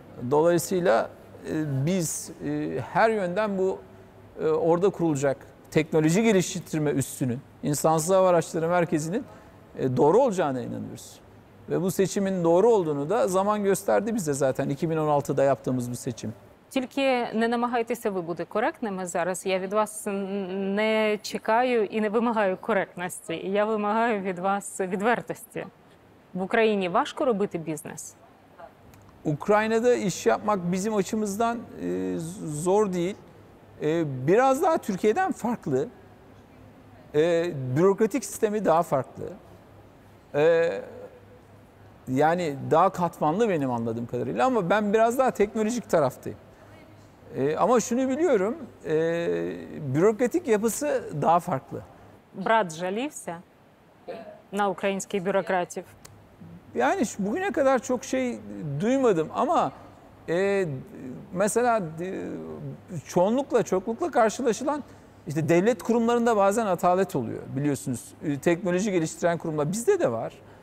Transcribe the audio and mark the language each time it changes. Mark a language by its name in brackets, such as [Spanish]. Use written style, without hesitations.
[Turkish] Dolayısıyla biz her yönden bu orada kurulacak teknoloji geliştirme üssünün, insansız hava araçları merkezinin doğru olacağına inanıyoruz. Ve bu seçimin doğru olduğunu da zaman gösterdi bize zaten 2016'da yaptığımız bu seçim. [Ukrainian] Тільки не намагайтеся ви бути коректними зараз. Я від вас не чекаю і не вимагаю коректності. Я вимагаю від вас відвертості. В Україні важко робити бізнес? [Turkish] Ukrayna'da iş yapmak bizim açımızdan zor değil. Biraz daha Türkiye'den farklı. Bürokratik sistemi daha farklı. Yani daha katmanlı benim anladığım kadarıyla ama ben biraz daha teknolojik taraftayım. Ama şunu biliyorum, bürokratik yapısı daha farklı. [Ukrainian] Брат жалівся на український бюрократів. [Turkish] Yani bugüne kadar çok şey duymadım ama mesela çoğunlukla çoklukla karşılaşılan işte devlet kurumlarında bazen atalet oluyor biliyorsunuz. Teknoloji geliştiren kurumlar bizde de var.